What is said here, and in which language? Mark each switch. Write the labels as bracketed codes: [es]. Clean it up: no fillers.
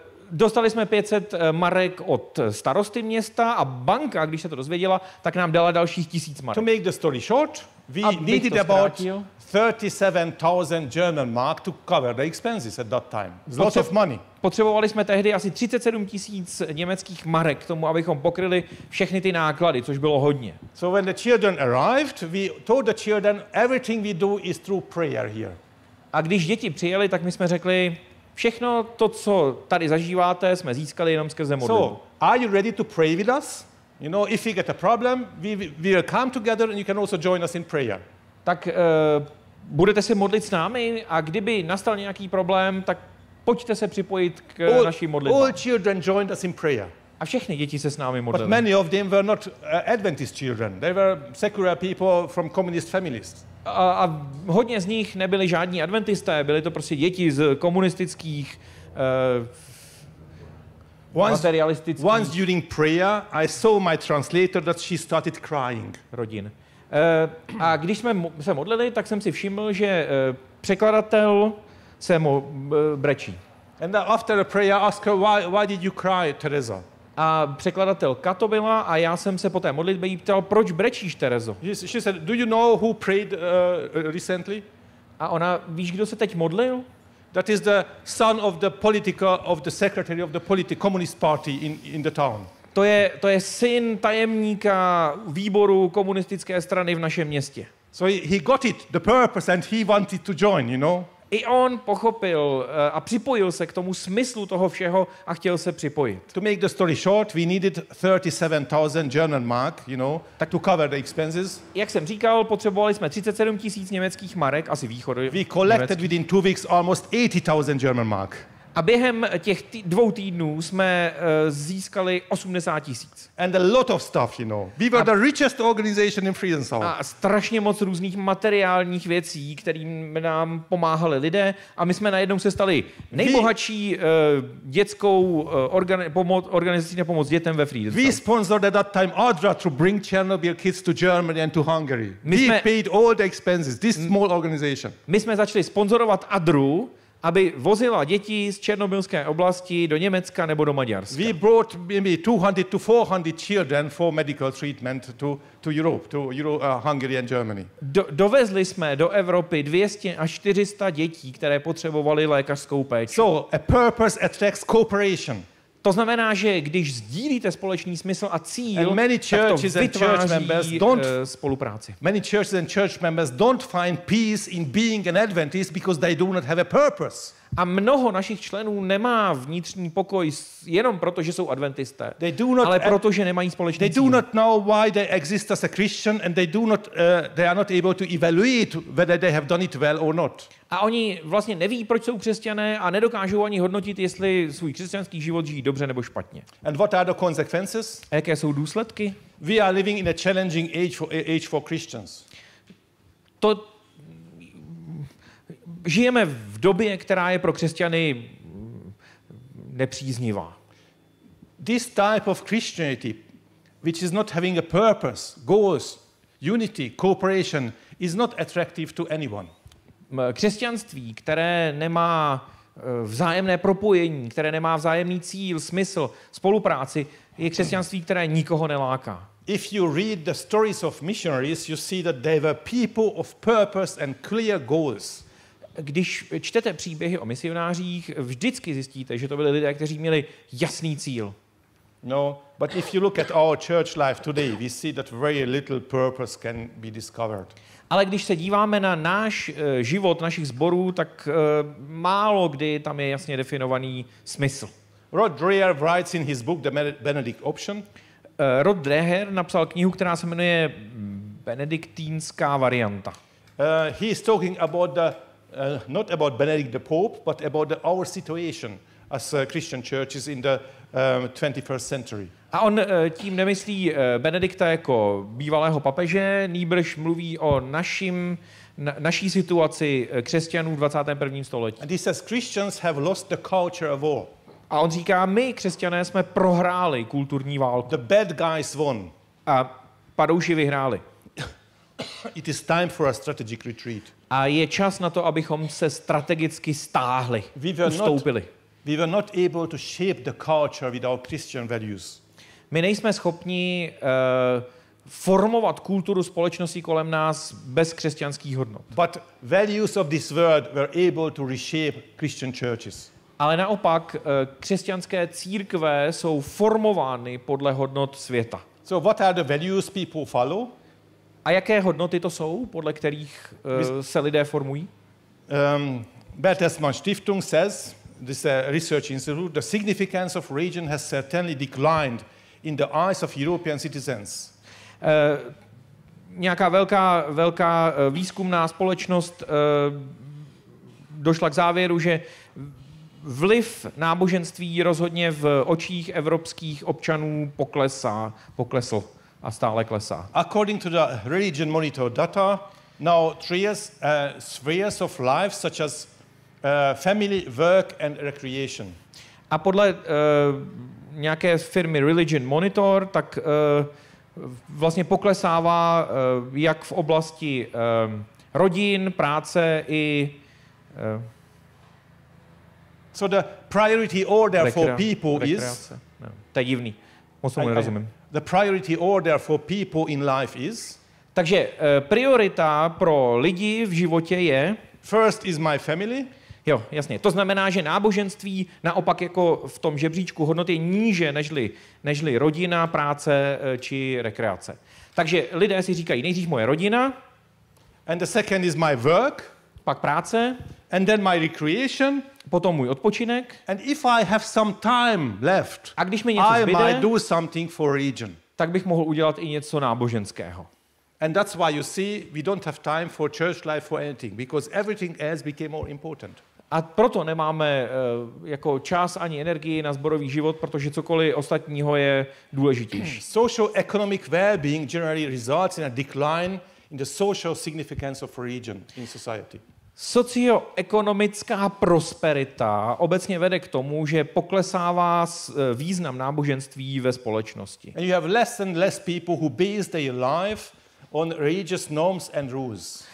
[cs] Dostali jsme 500 marek od starosty města a banka, když se to dozvěděla, tak nám dala dalších 1000 marek. [en] To make the story short, we needed about 37,000 German mark to cover the expenses at that time. Lots of money. [cs] Potřebovali jsme tehdy asi 37 tisíc německých marek k tomu, abychom pokryli všechny ty náklady, což bylo hodně. [en] So when the children arrived, we told the children everything we do is through prayer here. [cs] A když děti přijeli, tak my jsme řekli, všechno to, co tady zažíváte, jsme získali jenom skrze modlitbu. [en] So, are you ready to pray with us? You know, if you get a problem, we will come together and you can also join us in prayer. [cs] Tak budete se modlit s námi a kdyby nastal nějaký problém, tak pojďte se připojit k naší modlitbě. [en] All children joined us in prayer. [cs] A všechny děti se s námi modlili. [en] But many of them were not Adventist children. They were secular people from communist families. [cs] A hodně z nich nebyli žádní adventisté, byli to prostě děti z komunistických materialistických. [en] Once during prayer, I saw my translator that she started crying. [cs] Rodin. A když jsme se modlili, tak jsem si všiml, že překladatel se brečí. [en] And after the prayer I asked her why did you cry, Teresa? [cs] A překladatelka to byla a já jsem se po té modlitbě jí ptal, proč brečíš, Terezo? [en] She said, do you know who prayed recently? [cs] A ona, víš, kdo se teď modlil? [en] That is the son of the political of the secretary of the political communist party in the town. [cs] To je syn tajemníka výboru komunistické strany v našem městě. [en] So he got it, the purpose, and he wanted to join, you know? [cs] I on pochopil a připojil se k tomu smyslu toho všeho a chtěl se připojit. [en] To make the story short, we needed 37,000 German mark, you know, to cover the expenses. [cs] Jak jsem říkal, potřebovali jsme 37 tisíc německých marek, asi východu. [en] We collected within 2 weeks almost 80,000 German mark. [cs] A během těch dvou týdnů jsme získali 80 tisíc. [en] And a lot of stuff, you know. We were the richest organization in Friedensau. [cs] A strašně moc různých materiálních věcí, kterým nám pomáhali lidé. A my jsme najednou se stali nejbohatší dětskou organizací na pomoc dětem ve Friedensau. [en] We sponsored at that time ADRA to bring Chernobyl kids to Germany and to Hungary. We paid all the expenses, this small organization. [cs] My jsme začali sponzorovat ADRU, aby vozila děti z černobylské oblasti do Německa nebo do Maďarska. [en] We brought maybe 200 to 400 children for medical treatment to Europe, to Hungary and Germany. [cs] Dovezli jsme do Evropy 200 až 400 dětí, které potřebovaly lékařskou péči. [en] So a purpose attracts cooperation. [cs] To znamená, že když sdílíte společný smysl a cíl, tak to vytváří spolupráci. [en] Many churches and church members don't find peace in being an Adventist because they do not have a purpose. [cs] A mnoho našich členů nemá vnitřní pokoj jenom proto, že jsou adventisté, ale proto, že nemají společný cíl. [en] They do not know why they exist as a Christian and they are not able to evaluate whether they have done it well or not. [cs] A oni vlastně neví, proč jsou křesťané a nedokážou ani hodnotit, jestli svůj křesťanský život žijí dobře nebo špatně. [en] And what are the consequences? [cs] A jaké jsou důsledky? [en] We are living in a challenging age for Christians. [cs] Žijeme v době, která je pro křesťany nepříznivá. [en] This type of Christianity, which is not having a purpose, goals, unity, cooperation, is not attractive to anyone. [cs] Křesťanství, které nemá vzájemné propojení, které nemá vzájemný cíl, smysl, spolupráci, je křesťanství, které nikoho neláká. [en] If you read the stories of missionaries, you see that they were people of purpose and clear goals. [cs] Když čtete příběhy o misionářích, vždycky zjistíte, že to byli lidé, kteří měli jasný cíl. [en] No, but if you look at our church life today, we see that very little purpose can be discovered. [cs] Ale když se díváme na náš život, našich sborů, tak málo kdy tam je jasně definovaný smysl. [en] Rod Dreher writes in his book The Benedict Option. [cs] Rod Dreher napsal knihu, která se jmenuje Benediktínská varianta. [en] He is talking about the not about Benedict the Pope, but about our situation as Christian churches in the 21st century. [cs] A on tím nemyslí Benedikta jako bývalého papeže, nýbrž mluví o naší situaci křesťanů v 21. století. [en] And he says Christians have lost the culture of war. [cs] A on říká, my křesťané jsme prohráli kulturní válku. [en] The bad guys won. [cs] A padouši vyhráli. [en] It is time for a strategic retreat. [cs] A je čas na to, abychom se strategicky stáhli, ustoupili. [en] We were not able to shape the culture with our Christian values. [cs] My nejsme schopni formovat kulturu společnosti kolem nás bez křesťanských hodnot. [en] But values of this world were able to reshape Christian churches. [cs] Ale naopak křesťanské církve jsou formovány podle hodnot světa. [en] So what are the values people follow? [cs] A jaké hodnoty to jsou, podle kterých se lidé formují? [en] Bertelsmann Stiftung says, this research institute, the significance of religion has certainly declined in the eyes of European citizens. [cs] Nějaká velká výzkumná společnost došla k závěru, že vliv náboženství rozhodně v očích evropských občanů poklesl. A stále klesá. [en] According to the religion monitor data, now spheres of life such as family, work and recreation. [cs] A podle nějaké firmy Religion Monitor, tak vlastně poklesává jak v oblasti rodin, práce i [en] So the priority order for people is [cs] to je divný. Moc tomu nerozumím. [en] The priority order for people in life is. [cs] Takže priorita pro lidi v životě je. [en] First is my family. [cs] Jo, jasně. To znamená, že náboženství naopak jako v tom žebříčku hodnot je níže nežli rodina, práce či rekreace. Takže lidé si říkají, nejdřív moje rodina. [en] And the second is my work. [cs] Pak práce. [en] And then my recreation. [cs] Potom můj odpočinek. [en] And if I have some time left, [cs] a když mi něco zbyde, [en] I might do something for religion. [cs] Tak bych mohl udělat i něco náboženského. [en] And that's why you see we don't have time for church life for anything because everything else became more important. [cs] A proto nemáme jako čas ani energii na sborový život, protože cokoliv ostatního je důležitější. [en] Social economic well-being generally results in a decline in the social significance of religion in society. [cs] Socioekonomická prosperita obecně vede k tomu, že poklesává význam náboženství ve společnosti. [en] And you have less and less people who base their life on religious norms and rules.